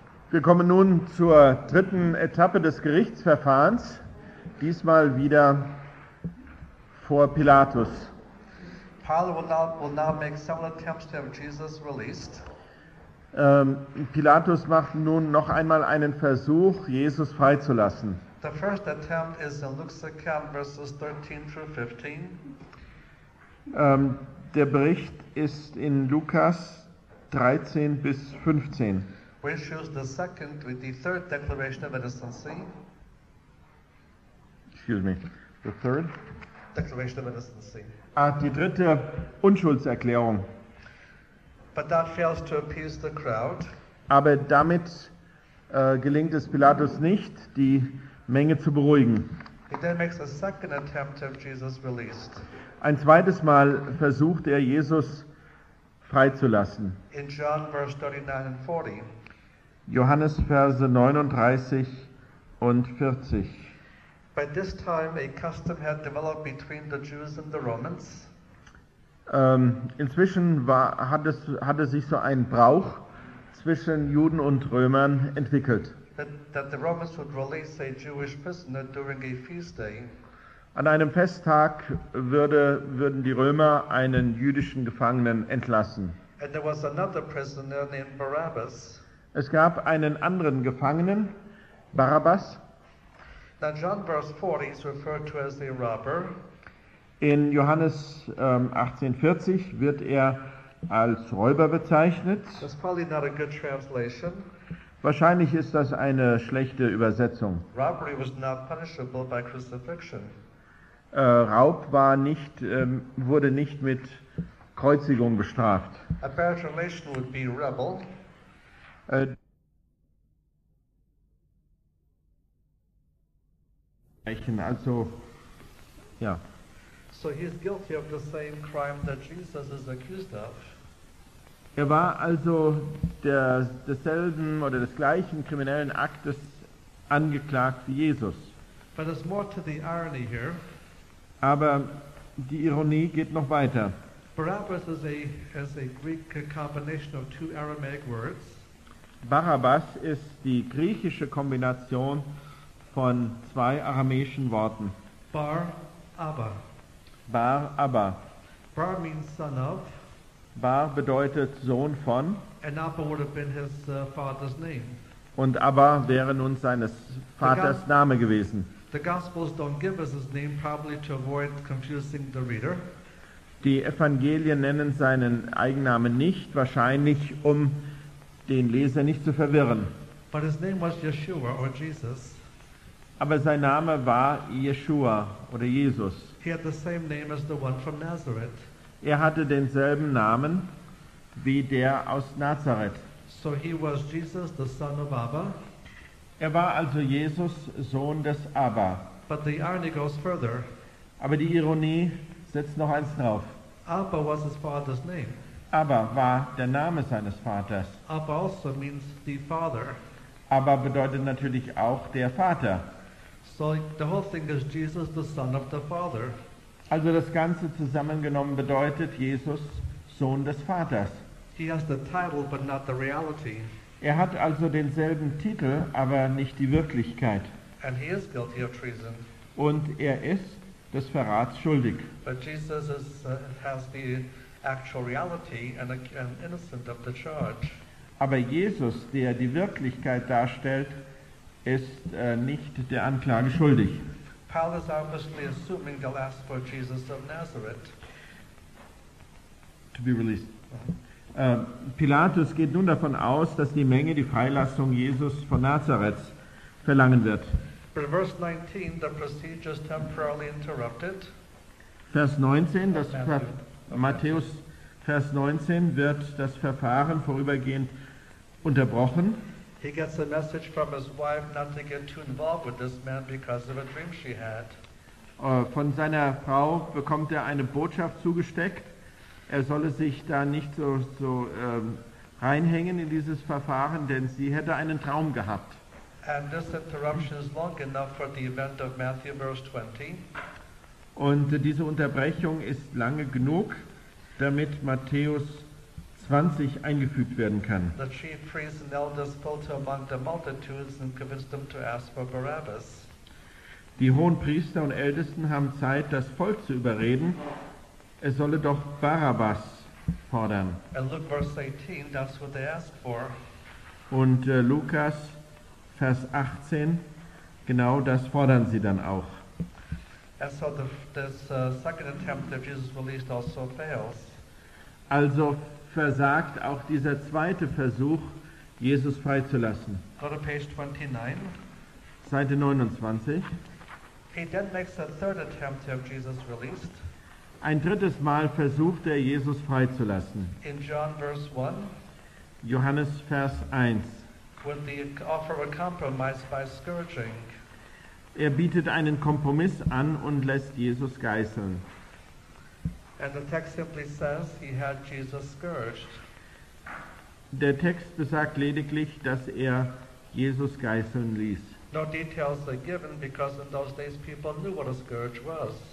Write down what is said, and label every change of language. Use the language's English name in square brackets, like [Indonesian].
[German] Wir kommen nun zur dritten Etappe des Gerichtsverfahrens, diesmal wieder vor Pilatus. [English] Pilate will now make several attempts to have Jesus released. [German] Pilatus macht nun noch einmal einen Versuch, Jesus freizulassen. [English] The first attempt is in Luke's account, verses 13 through 15. [German] Der Bericht ist in Lukas 13 bis 15. [English] Which shows the second with the third declaration of innocency. Excuse me, the third? Declaration of innocency. [German] Die dritte Unschuldserklärung. [English] But that fails to appease the crowd. [German] Aber damit gelingt es Pilatus nicht, die Menge zu beruhigen. [English] He then makes a second attempt to have Jesus released. [German] Ein zweites Mal versucht er, Jesus freizulassen. [English] In John, verse 39 and 40. [German] Johannes, Verse 39 und 40. [English] By this time a custom had developed between the Jews and the Romans. [German] Inzwischen hatte sich so ein Brauch zwischen Juden und Römern entwickelt. [English] That the Romans would release a Jewish prisoner during a feast day. [German] An einem Festtag würden die Römer einen jüdischen Gefangenen entlassen. [English] And there was another prisoner named Barabbas. [German] Es gab einen anderen Gefangenen, Barabbas. [English] Now John verse 40 is referred to as a robber. [German] In Johannes 18,40 wird er als Räuber bezeichnet. [English] That's probably not a good translation. [German] Wahrscheinlich ist das eine schlechte Übersetzung. [English] Robbery was not punishable by crucifixion. [German] Raub war nicht, wurde nicht mit Kreuzigung bestraft. [English] A bad translation would be rebel. [German] Also, ja. [English] So he is guilty of the same crime that Jesus is accused of. [German] Er war also desselben oder des gleichen kriminellen Aktes angeklagt wie Jesus. [English] But there's more to the irony here. [German] Aber die Ironie geht noch weiter. [English] Barabbas is a Greek combination of two Aramaic words. [German] Barabbas ist die griechische Kombination von zwei aramäischen Worten. [English] Bar Abba. [German] Bar Abba. [English] Bar means son of. [German] Bar bedeutet Sohn von. [English] And Abba would have been his father's name. [German] Und Abba wäre nun seines Vaters Name gewesen. [English] The Gospels don't give us his name, probably to avoid confusing the reader. [German] Die Evangelien nennen seinen Eigennamen nicht, wahrscheinlich um den Leser nicht zu verwirren. [English] But his name was Yeshua or Jesus. [German] Aber sein Name war Yeshua oder Jesus. [English] He had the same name as the one from Nazareth. [German] Er hatte denselben Namen wie der aus Nazareth. [English] So he was Jesus, the son of Abba. [German] Er war also Jesus, Sohn des Abba. [English] But the irony goes further. [German] Aber die Ironie setzt noch eins drauf. [English] Abba was his father's name. [German] Abba war der Name seines Vaters. [English] Abba also means the father. [German] Abba bedeutet natürlich auch der Vater. [English] So the whole thing is Jesus, the son of the father. [German] Also das Ganze zusammengenommen bedeutet Jesus, Sohn des Vaters. [English] He has the title, but not the reality. [German] Er hat also denselben Titel, aber nicht die Wirklichkeit. [English] And he is guilty of treason. [German] Und er ist des Verrats schuldig. [English] But Jesus has the actual reality and innocent of the charge. [German] Aber Jesus, der die Wirklichkeit darstellt, ist nicht der Anklage schuldig. [English] Pilate is obviously assuming they'll ask for Jesus of Nazareth to be released. [German] Pilatus geht nun davon aus, dass die Menge die Freilassung Jesus von Nazareth verlangen wird. [English] But in verse 19, the procedure is temporarily interrupted. [German] Vers 19, das Matthäus Vers 19 wird das Verfahren vorübergehend unterbrochen. [English] He gets a message from his wife not to get too involved with this man because of a dream she had. [German] Von seiner Frau bekommt er eine Botschaft zugesteckt. Er solle sich da nicht so reinhängen in dieses Verfahren, denn sie hätte einen Traum gehabt. [English] And this interruption is long enough for the event of Matthew verse 20. [German] Und diese Unterbrechung ist lange genug, damit Matthäus 20 eingefügt werden kann. [English] The chief priests and elders filter among the multitudes and convince them to ask for Barabbas. [German] Die hohen Priester und Ältesten haben Zeit, das Volk zu überreden. Es solle doch Barabbas fordern. [English] And Luke verse 18, that's what they ask for. [German] Und Lukas Vers 18, genau das fordern sie dann auch. [English] And so this second attempt that Jesus released also fails. [German] Also versagt auch dieser zweite Versuch, Jesus freizulassen. [English] Go to page 29. [German] Seite 29. [English] He then makes a third attempt to have Jesus released. [German] Ein drittes Mal versucht er, Jesus freizulassen. [English] In John verse 1. [German] Johannes Vers 1. [English] With the offer of a compromise by scourging. [German] Er bietet einen Kompromiss an und lässt Jesus geißeln. [English] And the text simply says he had Jesus scourged. [German] Der Text besagt lediglich, dass er Jesus geißeln ließ. [English] No details are given because in those days people knew what a scourge was.